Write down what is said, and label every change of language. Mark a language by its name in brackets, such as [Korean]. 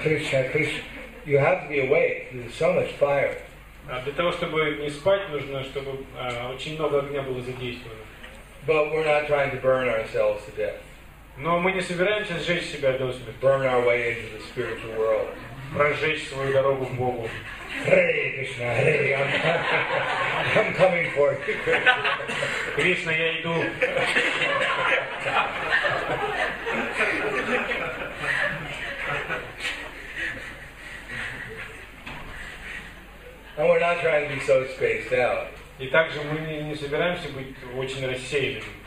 [Russian] концентрироваться, вступаем в тело огонь. Для того, чтобы не спать, нужно, чтобы очень много огня было задействовано. [English] But we're not trying to burn ourselves to death. [Russian] Но мы не собираемся сжечь себя до смерти. [English] Burn our way into the spiritual world. [Russian] Прожечь свою дорогу к Богу. [English] Hare Krishna, Hare Krishna. I'm coming for you. [Russian] Кришна, я иду. [English] And we're not trying to be so spaced out. [Russian] И также мы не собираемся быть очень рассеянными.